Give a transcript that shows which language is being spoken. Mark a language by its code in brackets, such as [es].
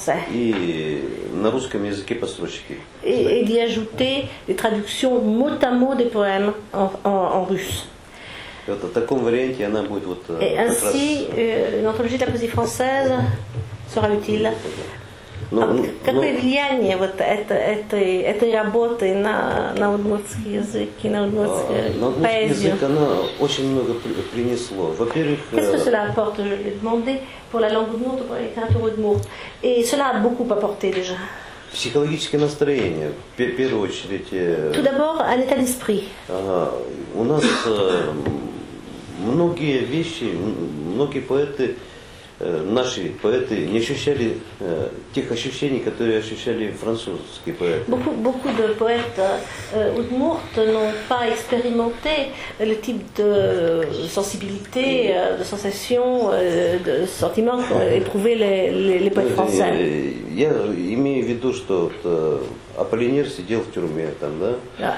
[ru] И на русском языке по строчке. [fr] И d'y ajouter des traductions mot à mot des poèmes en russe. [ru] Вот в таком варианте она будет вот. [fr] Et ainsi, une anthologie de la poésie française sera utile. [ru] Какое влияние вот этой работы на удмуртский язык и на удмуртскую поэзию? На удмуртский язык она очень много принесло. Во-первых, [fr] qu'est-ce que cela apporte, je l'ai demandé, pour la langue d'Udmurt, pour la littérature d'Udmurt? Et cela a beaucoup apporté déjà. [ru] Психологическое настроение, в первую очередь. [fr] Tout d'abord, un état d'esprit. [ru] У нас многие вещи, многие поэты, наши поэты не ощущали тех ощущений, которые ощущали французские поэты. [fr] Beaucoup, beaucoup de poètes udmourtes n'ont pas expérimenté le type de sensibilité, de sensation, de sentiment éprouvé les poètes français. [ru] Я имею в виду, что Аполлинер сидел в тюрьме там, да?